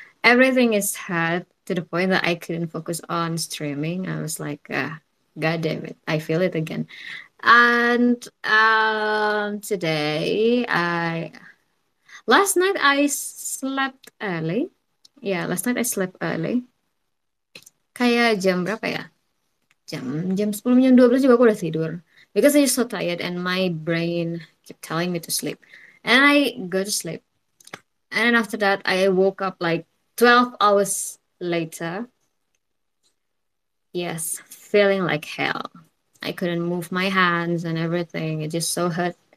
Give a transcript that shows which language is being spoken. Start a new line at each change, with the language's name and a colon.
English: Everything is hurt to the point that I couldn't focus on streaming. I was like, God damn it, I feel it again. And today, last night I slept early. Yeah, last night I slept early.
Indonesian: Kayak jam berapa ya? Jam 10, jam 12 juga aku udah tidur.
English: Because I was so tired and my brain kept telling me to sleep. And I go to sleep. And after that, I woke up like 12 hours later. Yes, feeling like hell. I couldn't move my hands and everything. It just so hurt.